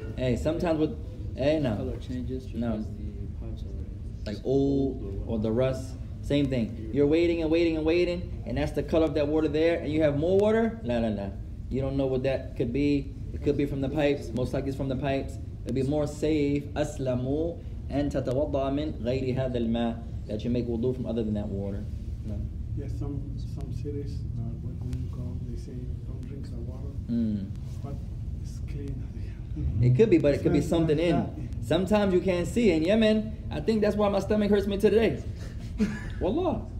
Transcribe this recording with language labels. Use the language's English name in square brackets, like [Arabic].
[English] Hey, sometimes with... No. Color changes because the pipes are like old or the rust. Same thing. You're waiting and waiting and waiting, and that's the color of that water there, and you have more water? No. You don't know what that could be. It could be from the pipes. Most likely it's from the pipes. It'd be more safe. [Arabic] أسلموا أن تتوضع من غير هذا الماء. [English] That you make wudu from other than that water. No. Yes, some cities, when you come, they say don't drink some water. But it's clean. It could be, but it could be something in. Sometimes you can't see. In Yemen, I think that's why my stomach hurts me today. Wallah.